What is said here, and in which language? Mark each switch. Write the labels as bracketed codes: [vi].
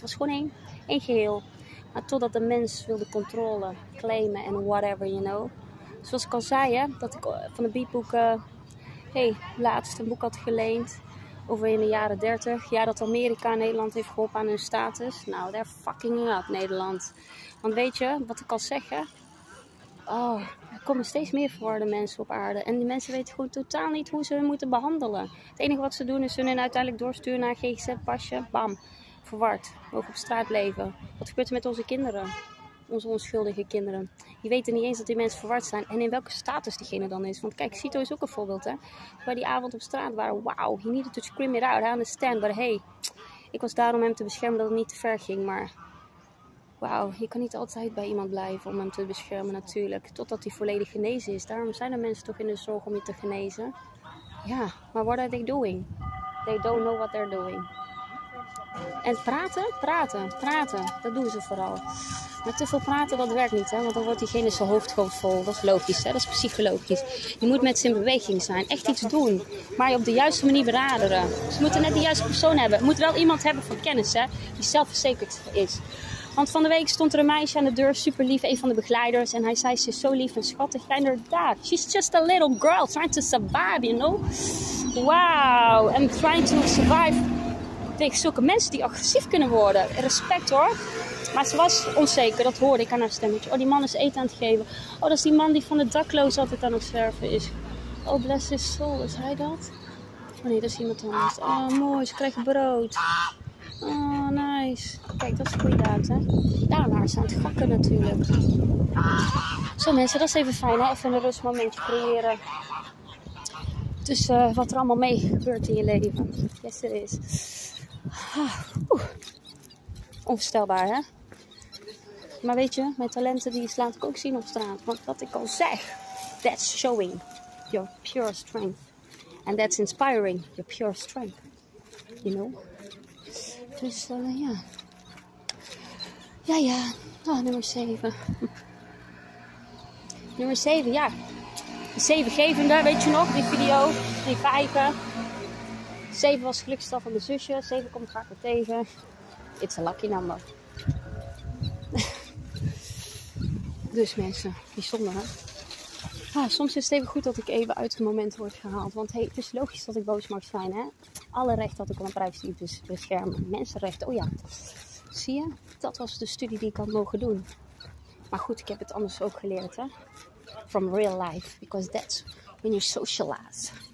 [nl] Het was gewoon één geheel. Maar totdat de mens wilde controle, claimen en [en] whatever, you know. [nl] Zoals ik al zei, hè, dat ik van de beatboeken, laatst een boek had geleend over in de jaren 30. Ja, dat Amerika en Nederland heeft geholpen aan hun status. [en] Nou, they're fucking up, Nederland. [nl] Want weet je, wat ik al zeg, hè? Oh, er komen steeds meer verwarde mensen op aarde. En die mensen weten gewoon totaal niet hoe ze hun moeten behandelen. Het enige wat ze doen is hun uiteindelijk doorsturen naar een GGZ-pasje. Bam. Verward. Mogen op straat leven. Wat gebeurt er met onze kinderen? Onze onschuldige kinderen. Die weten niet eens dat die mensen verward zijn. En in welke status diegene dan is. Want kijk, Cito is ook een voorbeeld, hè. Waar die avond op straat waren. [en] Wauw, he needed to scream it out. I understand. But hey, [nl] ik was daar om hem te beschermen dat het niet te ver ging. Maar... wauw, je kan niet altijd bij iemand blijven om hem te beschermen natuurlijk. Totdat hij volledig genezen is. Daarom zijn er mensen toch in de zorg om je te genezen. Ja, maar [en] what are they doing? They don't know what they're doing. [nl] En praten, praten, praten. Dat doen ze vooral. Maar te veel praten, dat werkt niet, hè? Want dan wordt diegene zijn hoofd gewoon vol. Dat is logisch, hè? Dat is psychologisch. Je moet met zijn beweging zijn. Echt iets doen. Maar je op de juiste manier benaderen. Ze moeten net de juiste persoon hebben. Je moet wel iemand hebben van kennis, hè? Die zelfverzekerd is. Want van de week stond er een meisje aan de deur, super lief, een van de begeleiders. En hij zei, ze is zo lief en schattig. Ja, inderdaad. [en] She's just a little girl trying to survive, you know? [nl] Wow. [en] I'm trying to survive [nl] tegen zulke mensen die agressief kunnen worden. Respect hoor. Maar ze was onzeker, dat hoorde ik aan haar stemmetje. Oh, die man is eten aan het geven. Oh, dat is die man die van de daklozen altijd aan het zwerven is. [en] Oh, bless his soul, [nl] is hij dat? Oh nee, dat is iemand anders. Oh, mooi, ze krijgt brood. Oh, nice. Kijk, dat is goed uit, hè. Daar waren ze aan het gakken natuurlijk. Zo mensen, dat is even fijn, hè. Even een rustmomentje creëren. Tussen wat er allemaal mee gebeurt in je leven. [en] Yes, it is. [nl] Onvoorstelbaar, hè. Maar weet je, mijn talenten die laat ik ook zien op straat. Want wat ik al zeg, [en] that's showing your pure strength. And that's inspiring your pure strength. You know? [nl] Dus ja. Ja, ja. Oh, nummer 7. Nummer 7, ja. De 7-gevende, weet je nog? Die video, die 5e. 7 was gelukstal van mijn zusje. 7 komt graag weer tegen. [en] It's a lucky number. [nl] Dus mensen, bijzonder, hè? Ah, soms is het even goed dat ik even uit het moment word gehaald. Want hey, het is logisch dat ik boos mag zijn, hè? Alle recht had ik om een privacy te beschermen. Mensenrechten, oh ja. Zie je? Dat was de studie die ik had mogen doen. Maar goed, ik heb het anders ook geleerd, hè? [en] From real life. Because that's when you socialize.